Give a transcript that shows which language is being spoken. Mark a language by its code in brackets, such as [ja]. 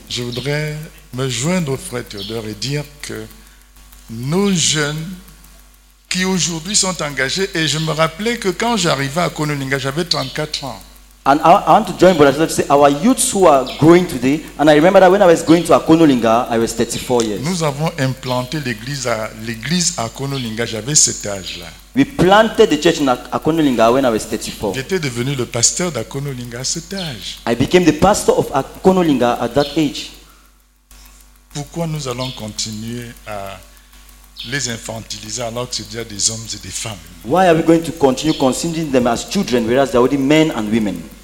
[fr] Je voudrais me joindre au frère Théodore et dire que nos jeunes qui aujourd'hui sont engagés, et je me rappelais que quand j'arrivais à Kononinga, j'avais 34 ans. [en] And I want to join, but I just want to say our youths who are growing today. And I remember that when I was going to Akonolinga, I was 34 years. [fr] Nous avons implanté l'église à Akonolinga. J'avais cet âge-là. [en] We planted the church in Akonolinga when I was 34. [fr] J'étais devenu le pasteur d'Akonolinga à cet âge. [en] I became the pastor of Akonolinga at that age. [fr] Pourquoi nous allons continuer à les infantiliser alors que c'est déjà des hommes et des femmes? [en] Why are we going to continue considering them as children whereas they are already men and women?